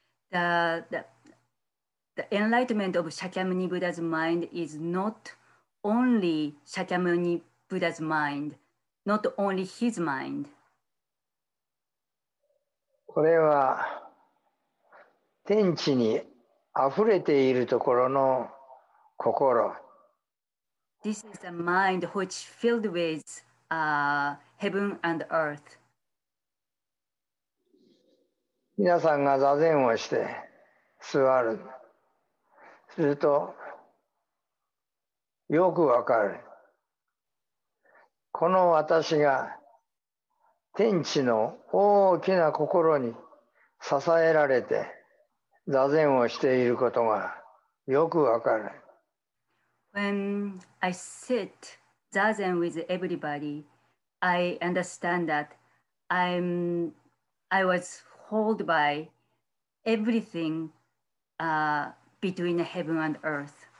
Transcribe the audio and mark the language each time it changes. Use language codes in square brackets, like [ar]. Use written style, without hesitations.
[en] The enlightenment of Shakyamuni Buddha's mind is not only Shakyamuni Buddha's mind. Not only his mind. [ja] これは天地にあふれているところの心。 [en] This is a mind which filled with heaven and earth. [ja] 皆さんが座禅をして座る。するとよくわかる。この私が天地の大きな心に支えられて座禅をしていることがよくわかる。 [en] When I sit zazen with everybody, I understand that I was held by everything between heaven and earth.